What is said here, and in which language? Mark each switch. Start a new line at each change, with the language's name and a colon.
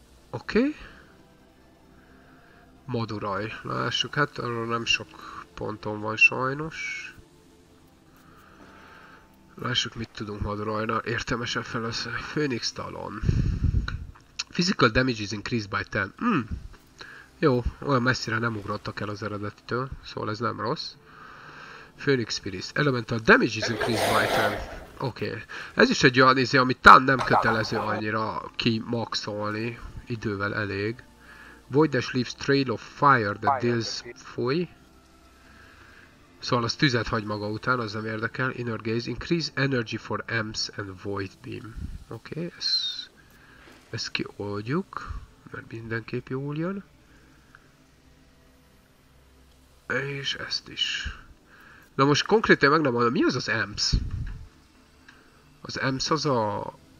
Hungarian: Okay. Madurai. Lássuk, hát arra nem sok ponton van sajnos. Lássuk, mit tudunk Madurajnál. Értelmesen felhasználni. Phoenix Talon.
English: Physical damage is increased by 10.
Hungarian: Jó, olyan messzire nem ugrottak el az eredetitől. Szóval ez nem rossz. Phoenix Spirit.
English: Elemental damage is increased by 10.
Hungarian: Oké. Okay. Ez is egy olyan izé, amit talán nem kötelező annyira kimaxolni. Idővel elég.
English: Void Dash leaves trail of fire that deals foy.
Hungarian: Szóval az tüzet hagy maga után, az nem érdekel.
English: Inner Gaze, increase energy for amps and void beam.
Hungarian: Oké, okay, ezt kioldjuk, mert mindenképp jól jön. És ezt is. Na most konkrétan meg nem mondom, mi az az amps? Az amps az a...